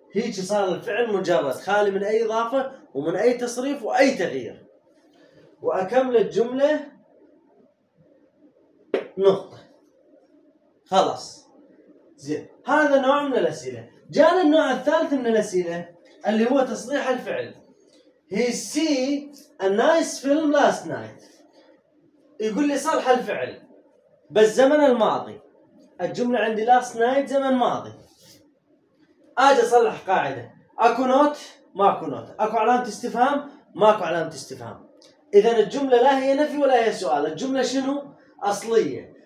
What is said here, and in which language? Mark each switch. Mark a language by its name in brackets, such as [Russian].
[Arabic] هيك صار الفعل مجرد خالي من أي إضافة ومن أي تصريف وأي تغيير. وأكمل الجملة نقطة. خلاص. زين. هذا نوع من الأسئلة. جانا النوع الثالث من الأسئلة اللي هو تصريح الفعل. [English] He see a nice film last night. [Arabic] يقول لي صالح الفعل بالزمن الماضي. الجملة عندي [English] last night [Arabic] زمن ماضي. أجي أصلح قاعدة. أكو نوت ماكو نوت. أكو علامة استفهام ماكو علامة استفهام. إذن الجملة لا هي نفي ولا هي سؤال. الجملة شنو؟ أصلية.